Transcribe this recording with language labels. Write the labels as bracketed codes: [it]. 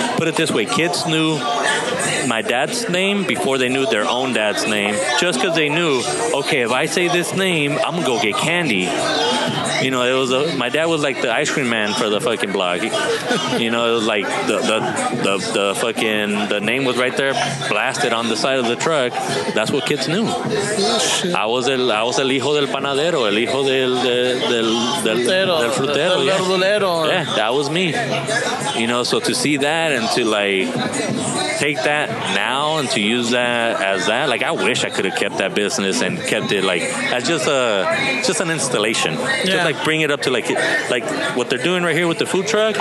[en] Put it this way, kids knew my dad's name before they knew their own dad's name, just because they knew, okay, if I say this name, I'm gonna go get candy. You know, it was a, my dad was like the ice cream man for the fucking block. You know, it was like the fucking the name was right there, blasted on the side of the truck. That's what kids knew. Oh, I was [es] el hijo del panadero, el hijo del frutero, del verdulero. [en] Yeah, that was me. You know, so to see that and to like take that now and to use that as that, like I wish I could have kept that business and kept it like as just an installation. Yeah. Just like bring it up to like what they're doing right here with the food truck.